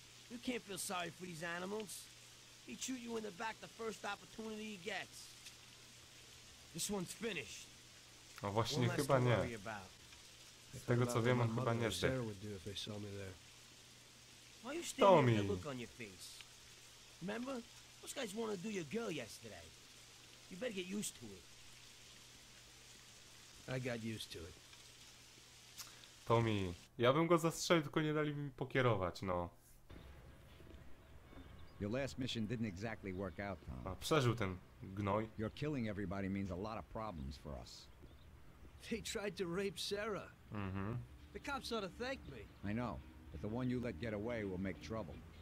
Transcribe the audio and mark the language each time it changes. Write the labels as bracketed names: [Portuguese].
[English] You can't feel sorry for these animals. He shoot you in the back the first opportunity he gets. This one's finished. [Polish] No właśnie, chyba nie. Z tego co wiem, on chyba nie żyje. [English] Why you still have that look on your face? Remember? Those guys wanted to do your girl yesterday. You better get used to it. I got used to it. [Polish] Tommy, ja bym go zastrzelił, tylko nie dali mi pokierować, no. [English] Your last mission didn't exactly work out, Tom. [Polish] A przeżył ten gnoj. [English] You're killing everybody means a lot of problems for us. They tried to rape Sarah. Mm-hmm. The cops ought to thank me. I know, but the one you let get away will make trouble.